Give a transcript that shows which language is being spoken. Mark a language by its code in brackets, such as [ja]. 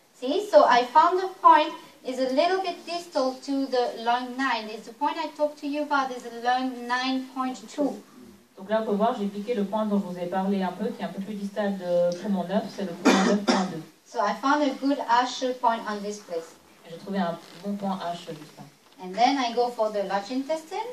[en] See, so I found the point is a little bit distal to the lung 9. It's the point I talked to you about, is the lung 9.2. [fr] Donc là, on peut voir, j'ai piqué le point dont je vous ai parlé un peu, qui est un peu plus distal de poumon 9, c'est le point 9.2. [en] So I found a good Ashe point on this place. [fr] J'ai trouvé un bon point Ashe juste là. [en] And then I go for the large intestine.